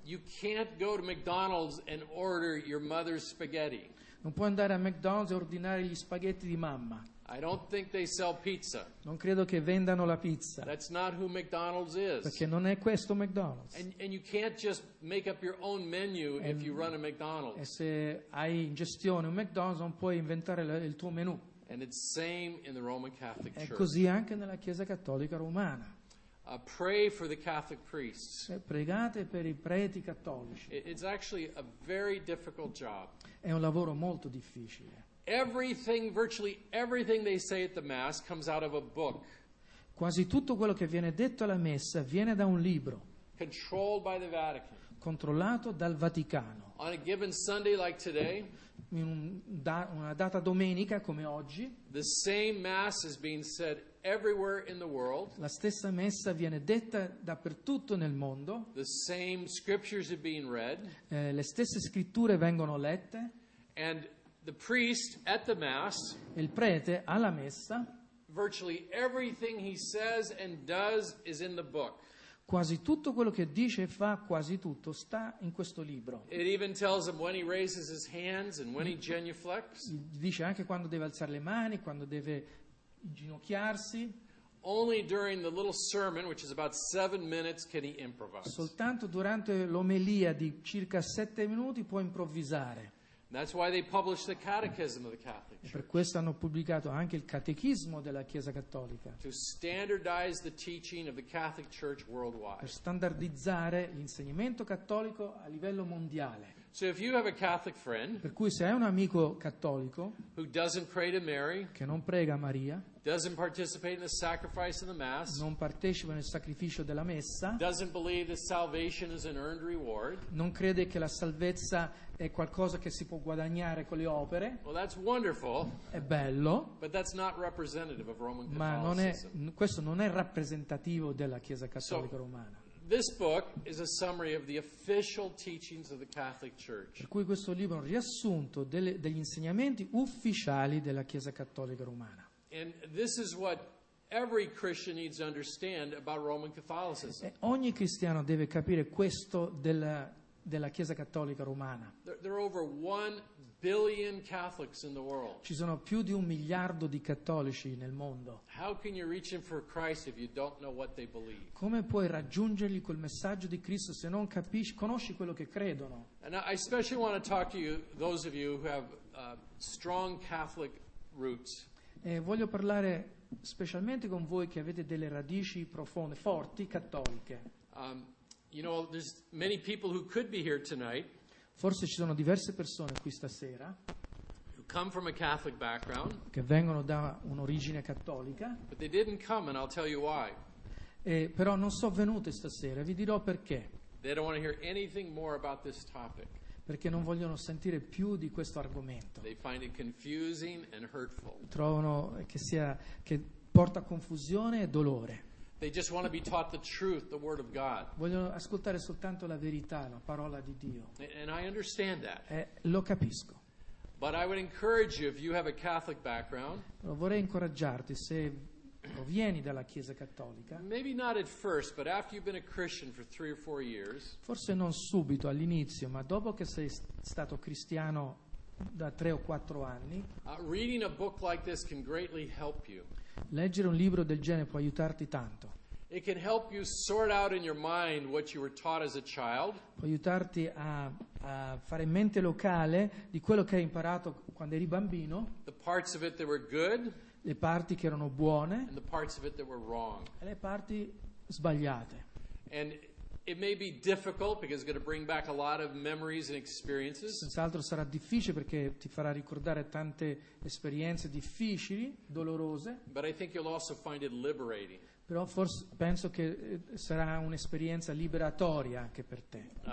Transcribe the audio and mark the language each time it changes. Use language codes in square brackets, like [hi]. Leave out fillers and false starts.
[en] You can't go to McDonald's and order your mother's spaghetti. [it] Non puoi andare a McDonald's e ordinare gli spaghetti di mamma. [en] I don't think they sell pizza. [it] Non credo che vendano la pizza. [en] That's not who McDonald's is. [it] Perché non è questo McDonald's. [en] And you can't just make up your own menu if you run a McDonald's. [it] E se hai in gestione un McDonald's non puoi inventare il tuo menù. [en] And it's same in the Roman Catholic Church. [it] È così anche nella Chiesa Cattolica Romana. [en] Pray for the Catholic priests. [it] Pregate per i preti cattolici. [en] It's actually a very difficult job. [it] È un lavoro molto difficile. [en] Everything, virtually everything they say at the Mass comes out of a book. [it] Quasi tutto quello che viene detto alla messa viene da un libro. [en] Controlled by the Vatican. [it] Controllato dal Vaticano. [en] On a given Sunday like today. [it] In una data domenica come oggi. [en] The same mass is being said everywhere in the world. [it] La stessa messa viene detta dappertutto nel mondo. [en] The same scriptures are being read. [it] Le stesse scritture vengono lette. [en] And the priest at the mass. [it] Il prete alla messa. [en] Virtually everything he says and does is in the book. [it] Quasi tutto quello che dice e fa, quasi tutto, sta in questo libro. [en] It even tells him when he raises his hands and when he genuflects. [it] Dice anche quando deve alzare le mani, quando deve ginocchiarsi. [en] Only during the little sermon, which is about 7 minutes, can he improvise. [it] Soltanto durante l'omelia di circa 7 minuti può improvvisare. [en] That's why they published the Catechism of the Catholic Church. [it] E per questo hanno pubblicato anche il Catechismo della Chiesa Cattolica. [en] To standardize the teaching of the Catholic Church worldwide. [it] Per standardizzare l'insegnamento cattolico a livello mondiale. [en] So if you have a Catholic friend, [it] per cui se hai un amico cattolico, [en] who doesn't pray to Mary, [it] che non prega a Maria, [en] doesn't participate in the sacrifice of the Mass, [it] non partecipa nel sacrificio della messa, [en] doesn't believe that salvation is an earned reward, [it] non crede che la salvezza è qualcosa che si può guadagnare con le opere, [en] well, that's wonderful, [it] è bello, [en] but that's not representative of Roman Catholicism. [it] Ma non è, questo non è rappresentativo della Chiesa Cattolica Romana. [en] This book is a summary of the official teachings of the Catholic Church. [it] Per cui questo libro è un riassunto degli insegnamenti ufficiali della Chiesa Cattolica Romana. [en] And this is what every Christian needs to understand about Roman Catholicism. [it] Ogni cristiano deve capire questo della Chiesa Cattolica Romana. [en] There are over 1 billion Catholics in the world. [it] Ci sono più di 1 miliardo di cattolici nel mondo. [en] How can you reach them for Christ if you don't know what they believe? [it] Come puoi raggiungerli col messaggio di Cristo se non capisci, conosci quello che credono? [en] And I especially want to talk to you, those of you who have strong Catholic roots. [it] E voglio parlare specialmente con voi che avete delle radici profonde, forti, cattoliche. [en] You know, there's many people who could be here tonight. [it] Forse ci sono diverse persone qui stasera. [en] Who come from a Catholic background. [it] Che vengono da un'origine cattolica. [en] But they didn't come, and I'll tell you why. [it] Però non sono venute stasera, vi dirò perché. [en] They don't want to hear anything more about this topic. [it] Perché non vogliono sentire più di questo argomento. [en] They find it confusing and hurtful. [it] Trovano che porta confusione e dolore. [en] They just want to be taught the truth, the word of God. [it] Vogliono ascoltare soltanto la verità, la parola di Dio. [en] And I understand that. [it] Lo capisco. [en] But I would encourage you, if you have a Catholic background. [it] Però vorrei incoraggiarti se provieni dalla Chiesa Cattolica. [en] Maybe not at first, but after you've been a Christian for 3 or 4 years. [it] Forse non subito all'inizio, ma dopo che sei stato cristiano da 3 o 4 anni. [en] Reading a book like this can greatly help you. [it] Leggere un libro del genere può aiutarti tanto. [en] It can help you sort out in your mind what you were taught as a child. [it] Può aiutarti a fare mente locale di quello che hai imparato quando eri bambino. [en] The parts of it that were good. [it] Le parti che erano buone. [en] And the parts of it that were wrong. [it] E le parti sbagliate. [en] And it may be difficult because it's going to bring back a lot of memories and experiences. [it] Senz'altro sarà difficile perché ti farà ricordare tante esperienze difficili, dolorose. [en] But I think you'll also find it liberating. [it] Però forse penso che sarà un'esperienza liberatoria anche per te.